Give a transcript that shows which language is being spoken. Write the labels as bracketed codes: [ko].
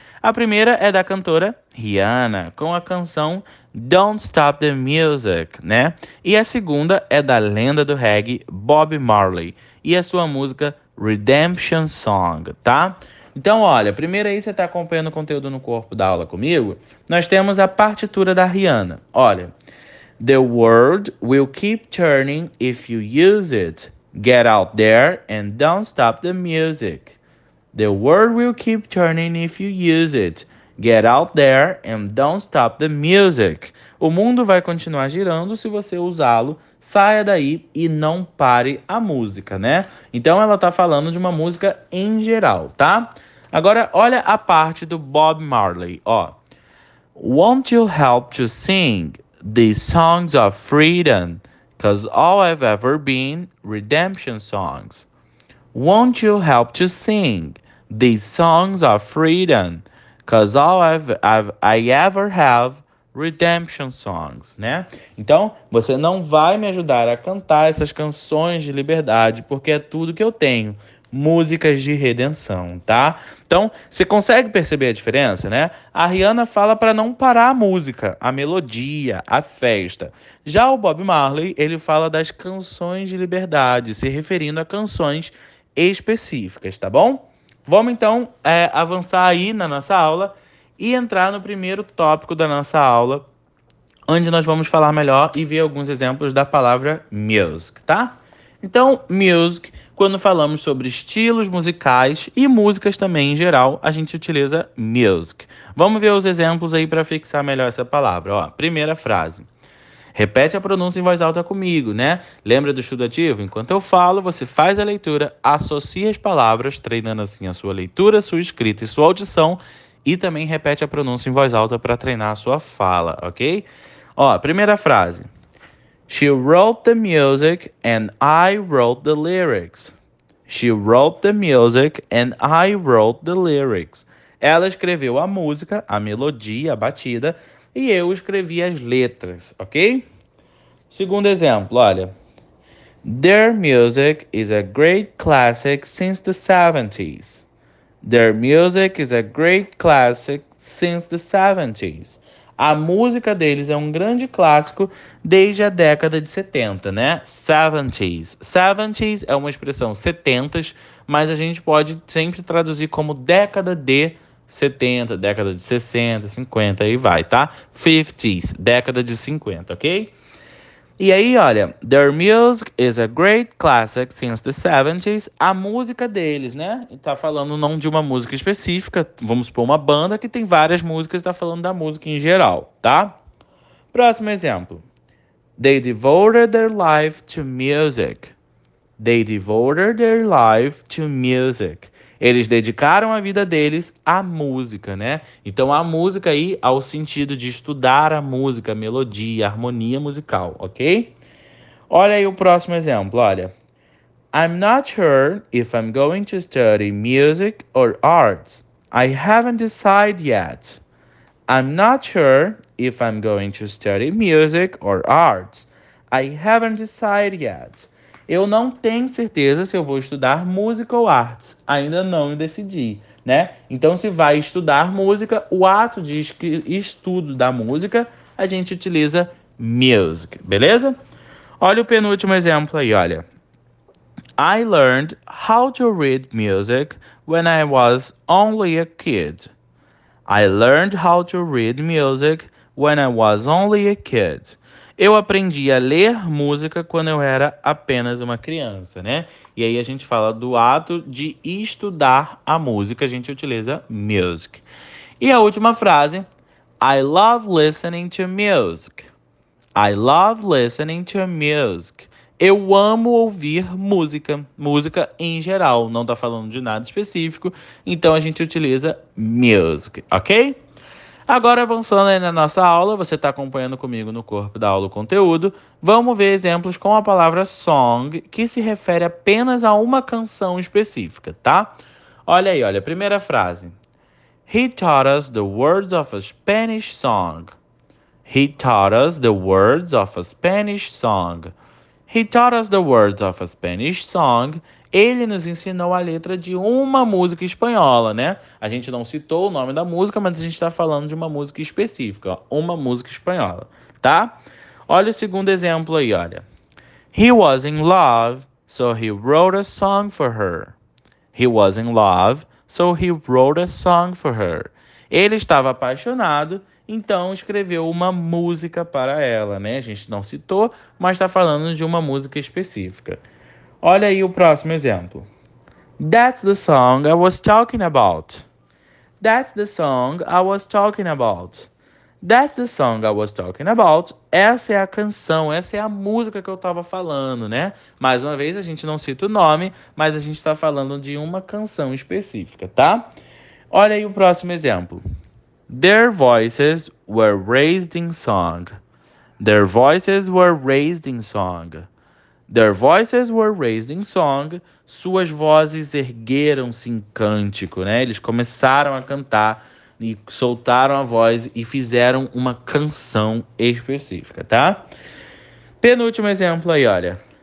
[pt] A primeira é da cantora Rihanna, com a canção Don't Stop the Music, né? E a segunda é da lenda do reggae Bob Marley e a sua música Redemption Song, tá? Então, olha, primeiro aí você está acompanhando o conteúdo no corpo da aula comigo? Nós temos a partitura da Rihanna. Olha, [en] The world will keep turning if you use it. Get out there and don't stop the music. The world will keep turning if you use it. Get out there and don't stop the music. [pt] O mundo vai continuar girando se você usá-lo. Saia daí e não pare a música, né? Então ela tá falando de uma música em geral, tá? Agora olha a parte do Bob Marley, ó. [en] Won't you help to sing the songs of freedom? 'Cause all I've ever been redemption songs. Won't you help to sing these songs of freedom, 'cause all I ever have redemption songs, né? [pt] Então, você não vai me ajudar a cantar essas canções de liberdade, porque é tudo que eu tenho, músicas de redenção, tá? Então, você consegue perceber a diferença, né? A Rihanna fala para não parar a música, a melodia, a festa. Já o Bob Marley, ele fala das canções de liberdade, se referindo a canções específicas, tá bom? Vamos então avançar aí na nossa aula e entrar no primeiro tópico da nossa aula, onde nós vamos falar melhor e ver alguns exemplos da palavra music, tá? Então, music, quando falamos sobre estilos musicais e músicas também em geral, a gente utiliza music. Vamos ver os exemplos aí para fixar melhor essa palavra. Ó, primeira frase. Repete a pronúncia em voz alta comigo, né? Lembra do estudo ativo? Enquanto eu falo, você faz a leitura, associa as palavras, treinando assim a sua leitura, sua escrita e sua audição, e também repete a pronúncia em voz alta para treinar a sua fala, ok? Ó, primeira frase. [en] She wrote the music and I wrote the lyrics. She wrote the music and I wrote the lyrics. [pt] Ela escreveu a música, a melodia, a batida. E eu escrevi as letras, ok? Segundo exemplo, olha. [en] Their music is a great classic since the 70s. Their music is a great classic since the 70s. [pt] A música deles é um grande clássico desde a década de 70, né? 70s. 70s é uma expressão 70s, mas a gente pode sempre traduzir como década de 70, década de 60, 50, aí vai, tá? 50s, década de 50, ok? E aí, olha, [en] their music is a great classic since the 70s. [pt] A música deles, né? E tá falando não de uma música específica, vamos supor uma banda que tem várias músicas, tá falando da música em geral, tá? Próximo exemplo. [en] They devoted their life to music. They devoted their life to music. [pt] Eles dedicaram a vida deles à música, né? Então a música aí ao sentido de estudar a música, a melodia, a harmonia musical, ok? Olha aí o próximo exemplo, olha. [en] I'm not sure if I'm going to study music or arts. I haven't decided yet. I'm not sure if I'm going to study music or arts. I haven't decided yet. [pt] Eu não tenho certeza se eu vou estudar música ou artes. Ainda não decidi, né? Então, se vai estudar música, o ato de estudo da música, a gente utiliza music, beleza? Olha o penúltimo exemplo aí, olha. [en] I learned how to read music when I was only a kid. I learned how to read music when I was only a kid. [pt] Eu aprendi a ler música quando eu era apenas uma criança, né? E aí a gente fala do ato de estudar a música, a gente utiliza music. E a última frase, [en] I love listening to music. I love listening to music. [pt] Eu amo ouvir música, música em geral, não tá falando de nada específico, então a gente utiliza music, ok? Agora, avançando aí na nossa aula, você está acompanhando comigo no corpo da aula o conteúdo. Vamos ver exemplos com a palavra song, que se refere apenas a uma canção específica, tá? Olha aí, olha, primeira frase. [en] He taught us the words of a Spanish song. He taught us the words of a Spanish song. He taught us the words of a Spanish song. [pt] Ele nos ensinou a letra de uma música espanhola, né? A gente não citou o nome da música, mas a gente está falando de uma música específica, ó, uma música espanhola, tá? Olha o segundo exemplo aí, olha. [en] He was in love, so he wrote a song for her. He was in love, so he wrote a song for her. [pt] Ele estava apaixonado, então escreveu uma música para ela, né? A gente não citou, mas está falando de uma música específica. Olha aí o próximo exemplo. [en] That's the song I was talking about. That's the song I was talking about. That's the song I was talking about. [pt] Essa é a canção, essa é a música que eu estava falando, né? Mais uma vez, a gente não cita o nome, mas a gente está falando de uma canção específica, tá? Olha aí o próximo exemplo. [en] Their voices were raised in song. Their voices were raised in song. Their voices were raised in song. [pt] Suas vozes ergueram-se em cântico, né? Eles começaram a cantar e soltaram a voz e fizeram uma canção específica, tá? Penúltimo exemplo aí, olha.